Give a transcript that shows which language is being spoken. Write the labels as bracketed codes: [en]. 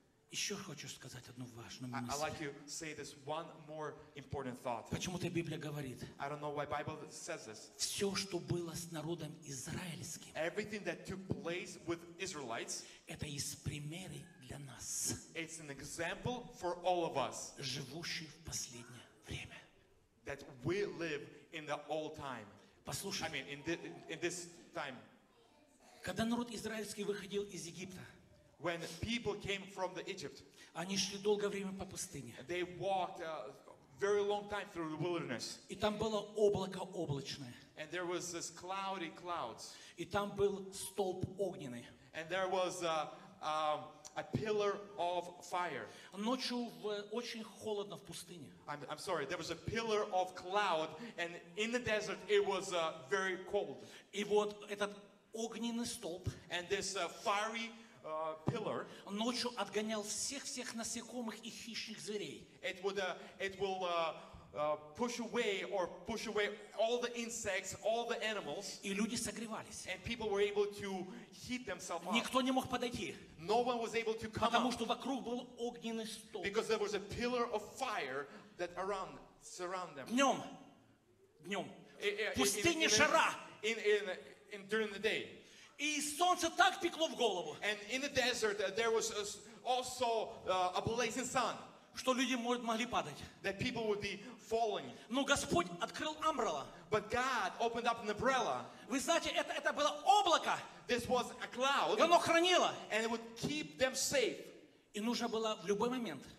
[ru] Еще хочу сказать одну важную мысль. [en] I'd like to say this one more important thought. [ru] Почему-то Библия говорит. [en] I don't know why Bible says this. [ru] Все, что было с народом израильским. [en] Everything that took place with Israelites. [ru] Это из примеры для нас. [en] It's an example for all of us. [ru] Живущие в последнее время. [en] That we live in the old time. [ru] Послушай. [en] I mean, in this time. [ru] Когда народ израильский выходил из Египта, [en] when people came from the Egypt, [ru] они шли долгое время по пустыне. [en] They walked a very long time through the wilderness. [ru] И там было облако облачное. [en] And there was this cloudy clouds. [ru] И там был столб огненный. [en] And there was a pillar of fire. [ru] Ночью очень холодно в пустыне. [en] I'm sorry, there was a pillar of cloud, and in the desert it was very cold. [ru] И вот этот огненный столб. [en] And this fiery pillar. [ru] Ночью отгонял всех насекомых и хищных зверей. [en] It would push away all the insects, all the animals. [ru] И люди согревались. [en] And people were able to heat themselves up. [ru] Никто не мог подойти. [en] No one was able to come. [ru] Потому что вокруг был огненный столб. [en] Because there was a pillar of fire that surround them. [ru] Днем. Пустыня жара. [en] And during the day. [ru] И солнце так пекло в голову. [en] And in the desert there was also a blazing sun. [ru] Что люди могли падать. [en] That people would be falling. [ru] Но Господь открыл амбрелла. [en] But God opened up an umbrella. [ru] Вы знаете, это было облако. [en] This was a cloud. [ru] И оно хранило. [en] And it would keep them safe. [ru] И нужно было в любой момент.